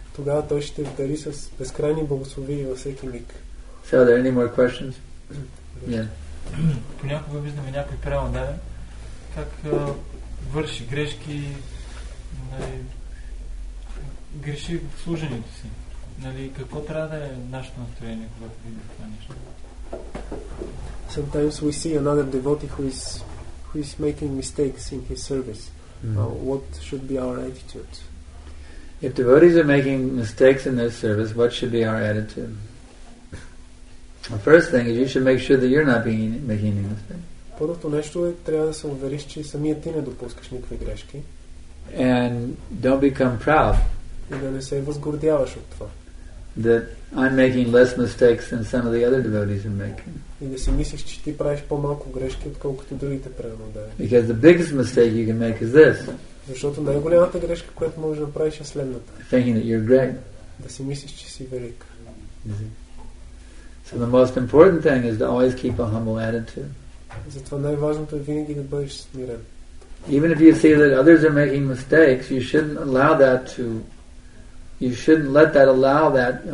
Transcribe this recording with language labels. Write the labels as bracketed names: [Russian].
[Bulgarian] Тогава той ще те дари с безкрайни благословия във всеки миг. [English] So are there any more questions? Yeah. [Bulgarian] Понякога виждаме някой предан отдаден, как върши грешки, греши в служението си. Нали, какво трябва да е нашето настроение, когато видим това нещо? [English] Sometimes we see another devotee who is making mistakes in his service. Mm-hmm. What should be our attitude? If devotees are making mistakes in their service, what should be our attitude? The first thing is you should make sure that you're not making any mistakes. [Bulgarian] Първото нещо е, трябва да се увериш, че самият ти не допускаш никакви грешки. [English] And don't become proud. [Bulgarian] И да не се възгордяваш от това. [English] That I'm making less mistakes than some of the other devotees are making. [Bulgarian] И да си мислиш, че ти правиш по-малко грешки, отколкото другите преданодаи. [English] Because the biggest mistake you can make is this. [Bulgarian] Защото най-голямата грешка, която можеш да правиш, е следната. [English] Thinking that you're great. [Bulgarian] Да си мислиш, че си велик. [English] So the most important thing is to always keep a humble attitude. [Bulgarian] Затова най-важното е винаги да бъдеш смирен. [English] Even if you see that others are making mistakes, you shouldn't allow that to. You shouldn't let that allow that.